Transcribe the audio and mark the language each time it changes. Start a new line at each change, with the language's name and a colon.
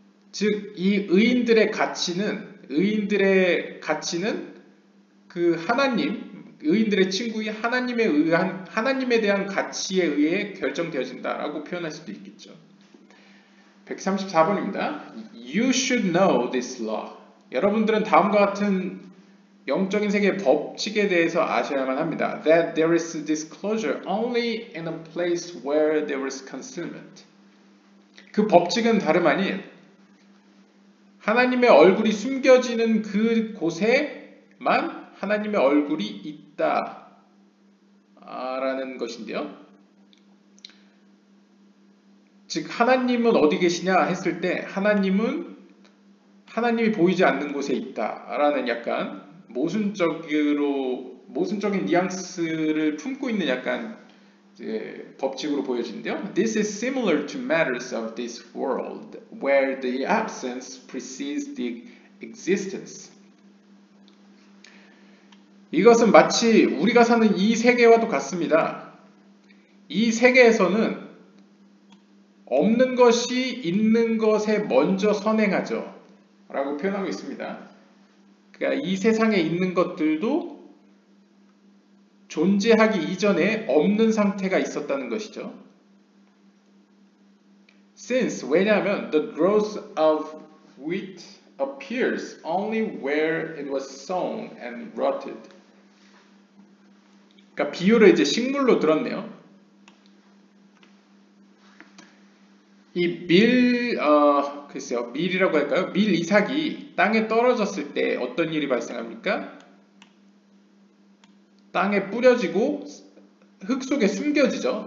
Korean: 즉, 이 의인들의 가치는, 의인들의 가치는 그 하나님, 의인들의 친구인 하나님에 의한, 하나님에 대한 가치에 의해 결정되어진다 라고 표현할 수도 있겠죠. 134번입니다.
English: You should know this law.
Korean: 여러분들은 다음과 같은 영적인 세계의 법칙에 대해서 아셔야만 합니다.
English: That there is disclosure only in a place where there is concealment.
Korean: 그 법칙은 다름 아닌 하나님의 얼굴이 숨겨지는 그 곳에만 하나님의 얼굴이 있다 라는 것인데요. 즉 하나님은 어디 계시냐 했을 때 하나님은 하나님이 보이지 않는 곳에 있다 라는 약간 모순적인 뉘앙스를 품고 있는 약간 이제 법칙으로 보여지는데요.
English: This is similar to matters of this world where the absence precedes the existence.
Korean: 이것은 마치 우리가 사는 이 세계와도 같습니다. 이 세계에서는 없는 것이 있는 것에 먼저 선행하죠 라고 표현하고 있습니다. 그러니까 이 세상에 있는 것들도 존재하기 이전에 없는 상태가 있었다는 것이죠.
English: Since,
Korean: 왜냐하면
English: the growth of wheat appears only where it was sown and rotted.
Korean: 그러니까 비유를 이제 식물로 들었네요. 이 밀이라고 할까요? 밀 이삭이 땅에 떨어졌을 때 어떤 일이 발생합니까? 땅에 뿌려지고 흙 속에 숨겨지죠.